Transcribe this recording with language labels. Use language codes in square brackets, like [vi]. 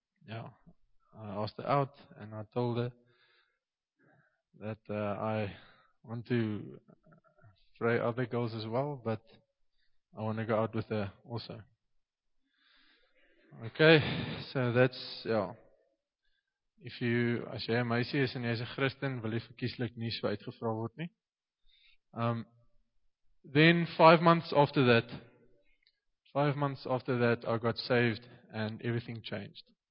[en] I asked her out, and I told her that I want to pray other girls as well, but I want to go out with her also. Okay, so that's, if you, [af] as jy 'n meisie is en jy is 'n Christen, wil jy verkieslik nie so uitgevra word nie. [en] Then 5 months after that, 5 months after that, I got saved and everything changed.